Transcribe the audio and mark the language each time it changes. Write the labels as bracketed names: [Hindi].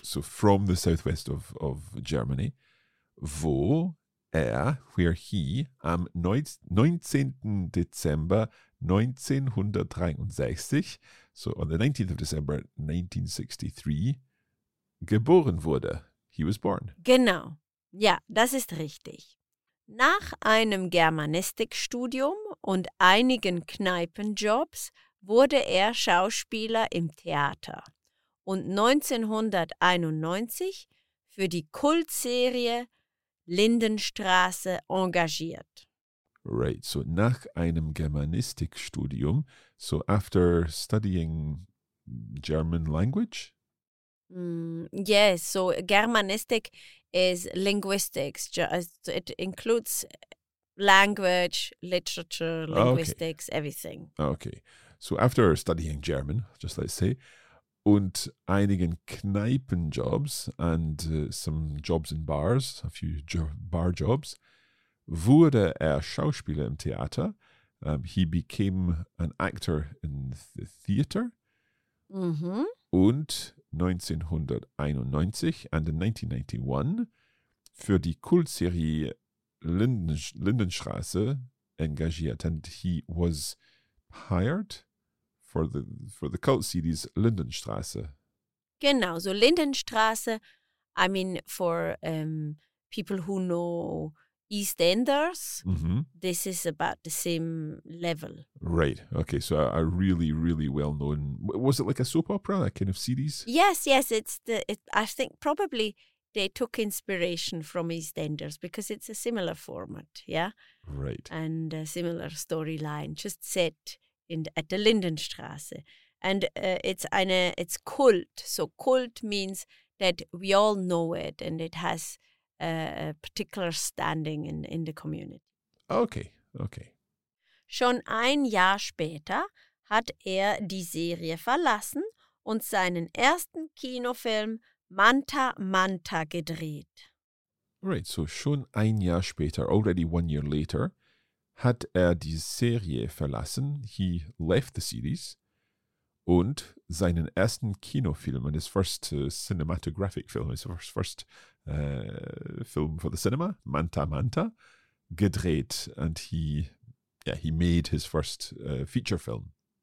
[English] So from the southwest of Germany, [German] wo er, [English] where he, am 19. Dezember 1963, so on the 19th of December 1963, [German] geboren wurde. [English] He was born. [German] Genau. Ja, das ist richtig. Nach einem Germanistikstudium und einigen Kneipenjobs wurde er Schauspieler im Theater und 1991 für die Kultserie Lindenstraße engagiert. [English] Right, so [German] nach einem Germanistikstudium, [English] so after studying German language? Yes, so Germanistik is linguistics. It includes language, literature, linguistics, okay. Everything. Okay. So after studying German, just let's say, [German] und einigen Kneipenjobs [English] and some jobs in bars, a few bar jobs, [German] wurde er Schauspieler im Theater. [English] He became an actor in the theater. Mm-hmm. [German] Und 1991 [English] and in 1991 [German] für die Kultserie Lindenstraße engagiert. [English] And he was hired for the cult series Lindenstraße. [German] Genau, [English] so Lindenstraße, I mean, for people who know EastEnders, mm-hmm. This is about the same level. Right, okay, so a really, really well-known, was it like a soap opera, that kind of series? Yes, I think probably they took inspiration from EastEnders because it's a similar format, yeah? Right. And a similar storyline, just set at the Lindenstraße. And it's cult. So cult means that we all know it and it has a particular standing in the community. Okay. [German] Schon ein Jahr später hat er die Serie verlassen und seinen ersten Kinofilm Manta Manta gedreht. [English] Right, so [German] schon ein Jahr später, [English] already 1 year later, [German] hat die Serie verlassen, [English] he left the series, [German] und seinen ersten Kinofilm, [English] and his first cinematographic film, his first film for the cinema, Manta Manta, [German] gedreht, [English] and he made his first feature film.